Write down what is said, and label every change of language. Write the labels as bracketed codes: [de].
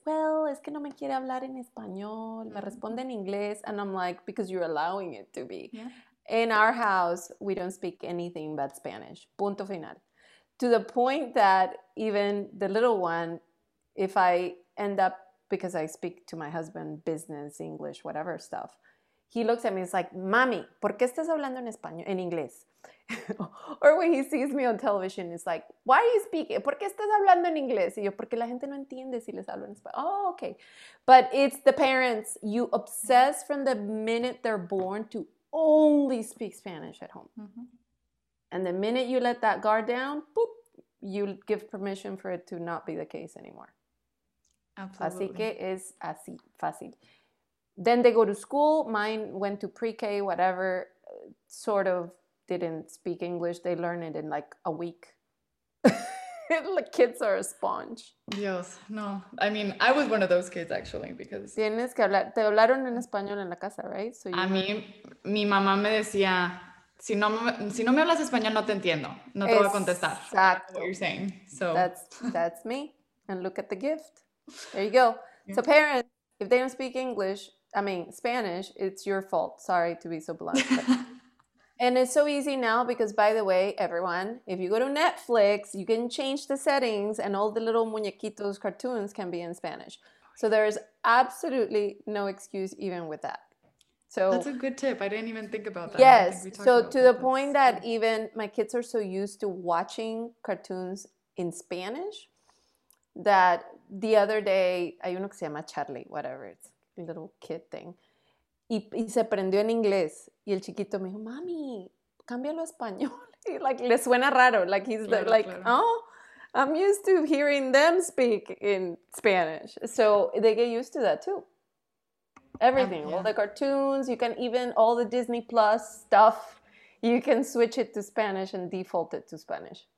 [es] Well, es que no me quiere hablar en español. Me responde en inglés. [en] And I'm like, because you're allowing it to be. Yeah. In our house, we don't speak anything but Spanish. [es] Punto final. [en] To the point that even the little one, if I end up, because I speak to my husband, business, English, whatever stuff, he looks at me, he's like, [es] mami, ¿por qué estás hablando en español, en inglés? [en] Or when he sees me on television, he's like, why are you speaking? [es] ¿Por qué estás hablando en inglés? Y yo, porque la gente no entiende si les hablo en español. [en] Oh, okay. But it's the parents. You obsess from the minute they're born to only speak Spanish at home. Mm-hmm. And the minute you let that guard down, boop, you give permission for it to not be the case anymore. Absolutely. [es] Así que es así, fácil. [en] Then they go to school. Mine went to pre-K, whatever, sort of didn't speak English. They learn it in like a week. Like, kids are a sponge. Yes, no. I mean, I was one of those kids actually, because... [es] Tienes que hablar. Te hablaron en español en la casa, right? [en] So you... [es] A mí, mi mamá me decía, si no me hablas español, no te entiendo. No te voy a contestar. [en] Exactly. What you're saying. So that's me. And look at the gift. There you go. Yeah. So parents, if they don't speak English, I mean, Spanish, it's your fault. Sorry to be so blunt. And it's so easy now because, by the way, everyone, if you go to Netflix, you can change the settings and all the little muñequitos cartoons can be in Spanish. So there is absolutely no excuse even with that. So that's a good tip. I didn't even think about that. Yes. So to the point that even my kids are so used to watching cartoons in Spanish that... The other day, [es] hay uno que se llama Charlie, [en] whatever, it's a little kid thing. [es] Y se prendió en inglés. Y el chiquito me dijo, mami, cámbialo a español. Y [en] like, [es] le suena raro. Like, he's claro, like, claro. [en] Oh, I'm used to hearing them speak in Spanish. So they get used to that too. Everything, yeah. All the cartoons, you can even, all the Disney Plus stuff, you can switch it to Spanish and default it to Spanish.